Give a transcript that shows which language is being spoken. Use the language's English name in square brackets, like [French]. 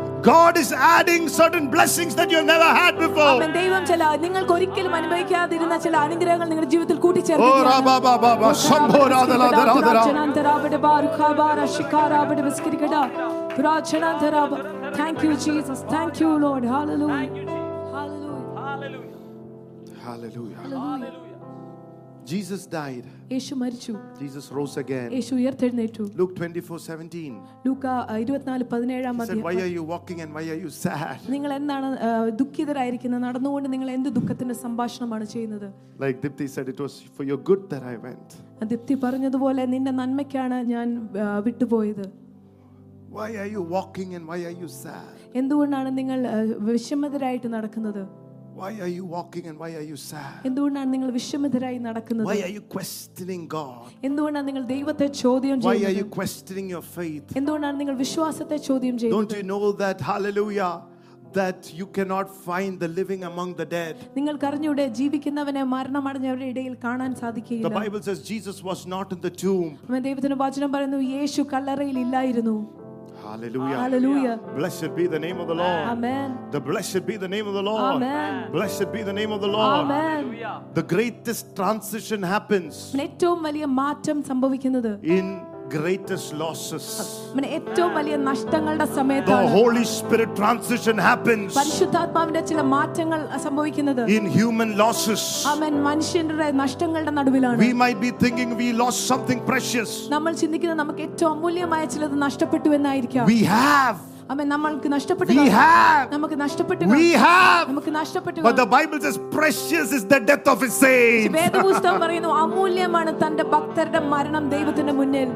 [English] God is adding certain blessings that you have never had before. [Malayalam] അമ്മ ദൈവം ചില നിങ്ങൾക്ക് ഒരിക്കലും അനുഭവിക്കാതിരുന്ന ചില അനുഗ്രഹങ്ങൾ നിങ്ങളുടെ ജീവിതത്തിൽ കൂട്ടിച്ചേർക്കുകയാണ്. [English] Thank you Jesus. Thank you Lord. Hallelujah. Hallelujah. Hallelujah. Jesus died. [Malayalam] യേശു മരിച്ചു. [English] Jesus rose again. [Malayalam] യേശു ഉയർത്തെഴുന്നേറ്റു. [English] Luke 24:17. Luke 24:17. He said, why are you walking and why are you sad? [Malayalam] നിങ്ങൾ എന്താണ് ദുഃഖിതരായിരിക്കുന്നത്? നടന്നുകൊണ്ട് നിങ്ങൾ എന്ത് ദുഃഖത്തിന്റെ സംഭാഷണമാണ് ചെയ്യുന്നത്? [English] Like Dipti said, it was for your good that I went. [Malayalam] ദിപ്തി പറഞ്ഞതുപോലെ നിന്റെ നന്മയ്ക്കാണ് ഞാൻ വിട്ടുപോയത്. [English] Why are you walking and why are you sad? [Malayalam] എന്തുകൊണ്ടാണ് നിങ്ങൾ വിഷമതരായിട്ട് നടക്കുന്നത്? [English] Why are you walking and why are you sad? [Malayalam] എന്തുകൊണ്ടാണ് നിങ്ങൾ വിഷമിതരായി നടക്കുന്നത്? [English] Why are you questioning God? [Malayalam] എന്തുകൊണ്ടാണ് നിങ്ങൾ ദൈവത്തെ ചോദ്യം ചെയ്യുന്നത്? [English] Why are you questioning your faith? [Malayalam] എന്തുകൊണ്ടാണ് നിങ്ങൾ വിശ്വാസത്തെ ചോദ്യം ചെയ്യുന്നത്? [English] Don't you know that hallelujah that you cannot find the living among the dead? [Malayalam] നിങ്ങൾ കരഞ്ഞുടേ ജീവിക്കുന്നവനെ മരണമടഞ്ഞവരുടെ ഇടയിൽ കാണാൻ സാധിക്കില്ല. [English] The Bible says Jesus was not in the tomb. [Malayalam] അമ്മ ദൈവത്തിന്റെ വചനം പറയുന്നു യേശു കല്ലറയിൽ ഇല്ലായിരുന്നു. [English] Hallelujah. Hallelujah. Blessed be the name of the Lord. Amen. The blessed be the name of the Lord. Amen. Blessed be the name of the Lord. Amen. The greatest transition happens. [Malayalam] ഏറ്റവും വലിയ മാറ്റം സംഭവിക്കുന്നത് [English] in greatest losses. [Malayalam] മനെ ഏറ്റവും വലിയ നഷ്ടങ്ങളുടെ സമയത്താണ്. [English] The Holy Spirit transition happens. [Malayalam] പരിശുദ്ധാത്മാവിന്റെ ചില മാറ്റങ്ങൾ സംഭവിക്കുന്നത് [English] in human losses. [Malayalam] Amen. മനുഷ്യന്റെ നഷ്ടങ്ങളുടെ നടുവിലാണ്. [English] We might be thinking we lost something precious. [Malayalam] നമ്മൾ ചിന്തിക്കുന്നത് നമുക്ക് ഏറ്റവും അമൂല്യമായ ചിലത് നഷ്ടപ്പെട്ടു എന്നായിരിക്കാം. [English] We have. [Malayalam] അമ്മേ നമ്മൾക്ക് നഷ്ടപ്പെട്ടു. നമുക്ക് നഷ്ടപ്പെട്ടു. നമുക്ക് നഷ്ടപ്പെട്ടു. [English] But the Bible says precious is the death of his saints. [Malayalam] വേദപുസ്തകം പറയുന്നു അമൂല്യമാണ് തന്റെ ഭക്തരുടെ മരണം ദൈവത്തിന്റെ മുന്നിൽ.